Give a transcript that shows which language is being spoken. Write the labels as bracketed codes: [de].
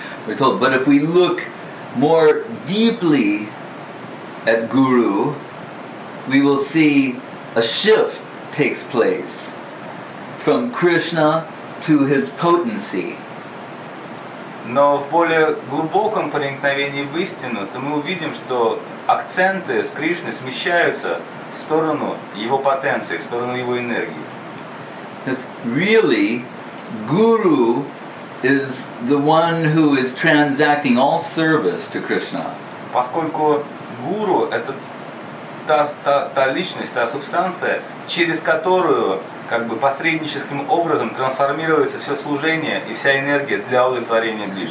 [en] We're told, but if we look more deeply at Guru, we will see a shift takes place from Krishna to his potency. [ru] Но в более глубоком проникновении в истину, то мы увидим, что акценты с Кришны смещаются в сторону его потенции, в сторону его энергии. [en] Really, Guru is the one who is transacting all service to Krishna. [ru] Поскольку Гуру — это та личность, та субстанция, через которую как бы посредническим образом трансформируется все служение и вся энергия для удовлетворения